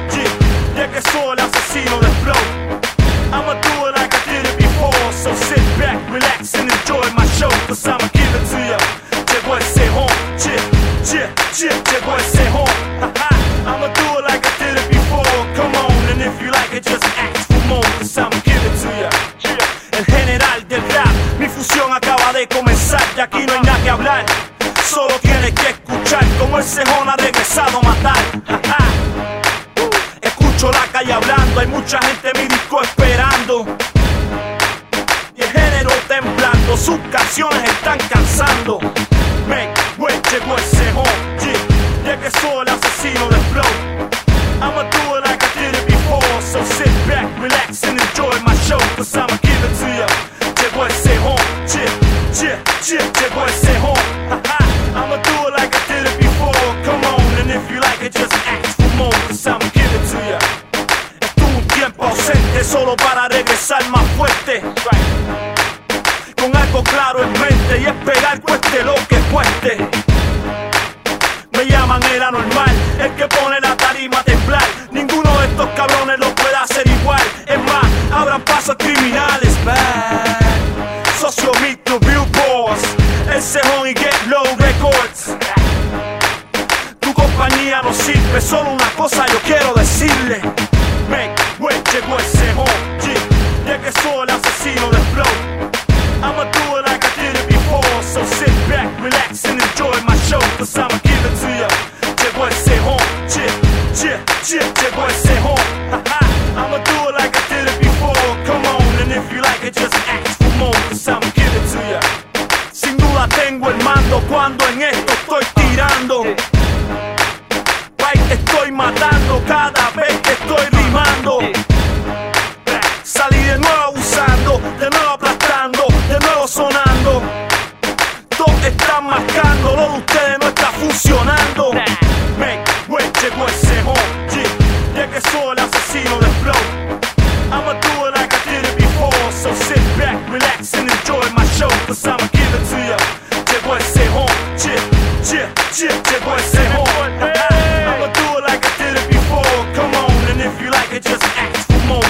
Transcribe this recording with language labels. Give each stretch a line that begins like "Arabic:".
Spanish: Yeah, ya que soy el asesino del flow.
English: I'ma do it like I did it before. So sit back, relax, and enjoy my show. Cause I'ma give it to ya.
Spanish: Llegó el cejón.
English: Yeah, yeah, yeah. Llegó el cejón. Ha ha. I'ma do it like I did it before. Come on, and if you like it, just ask for more. Cause I'ma give it to ya.
Spanish: El general del rap. Mi fusión acaba de comenzar. Y aquí no hay nada que hablar. Solo tienes que escuchar cómo el cejón ha regresado a matar. Escucho la calle hablando. Hay mucha gente en mi disco esperando. Y el género temblando. Sus canciones están cansando. Man, wey, llegó el cejón. Yeah, ya que soy el asesino del flow.
English: I'ma do it like I did it before. So sit back, relax and enjoy my show. Cause I'ma give it to ya.
Spanish: Llegó el cejón.
English: Yeah, yeah, yeah. Llegó el cejón. I'ma do it like I did it before. Come on, and if you like it, just ask for more. Cause I'ma give it to ya.
Spanish: Estuvo un tiempo ausente, solo para regresar más fuerte. Con algo claro en mente, y esperar cueste lo que cueste. Me llaman el anormal, el que pone la tarima a temblar. Ninguno de estos cabrones lo puede hacer igual. Es más, abran paso a criminales.
English: Man, socio meet the billboards.
Spanish: El cejón y Get Low Records. Tu compañía no sirve, solo una cosa yo quiero decirle. Man, wey, llegó el cejón. Yeah, ya que soy el asesino del flow.
English: I'ma do it like I did it before. So sit back, relax and enjoy my show. Cause I'ma give it to ya.
Spanish: Llegó el cejón.
English: Yeah, yeah, yeah. Llegó el cejón. Ha ha. I'ma do it like I did it before. Come on, and if you like it, just ask for more. Cause I'ma give it to ya.
Spanish: Sin duda tengo el mando cuando en esto estoy tirando. Right, estoy matando cada vez que estoy rimando. Salí de nuevo usando, de nuevo aplastando, de nuevo sonando. Todos están marcando, lo de ustedes no está funcionando. Man, wey, llegó el cejón. Yeah, ya que soy el asesino del flow.
English: I'ma do it like I did it before. So sit back, relax and enjoy my show. Cause I'ma give it to ya.
Spanish: Llegó el cejón.
English: Yeah, yeah, yeah.
Spanish: Llegó el cejón.
English: I'ma do it like I did it before. Come on, and if you like it, just ask for more.